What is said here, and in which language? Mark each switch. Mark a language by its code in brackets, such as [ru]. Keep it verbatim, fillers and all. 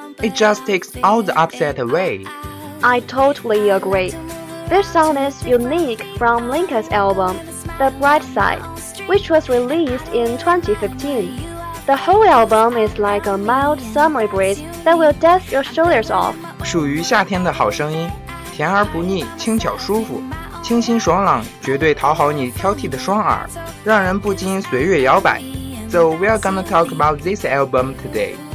[en] It just takes all the upset away. I totally agree. This song is unique from Linkin's album, The Bright Side, which was released in twenty fifteen. The whole album is like a mild summer breeze that will dash your shoulders off. [zh] 属于夏天的好声音。甜而不腻，轻巧舒服，清新爽朗，绝对讨好你挑剔的双耳，让人不禁随悦摇摆。 [en] So we are gonna talk about this album today.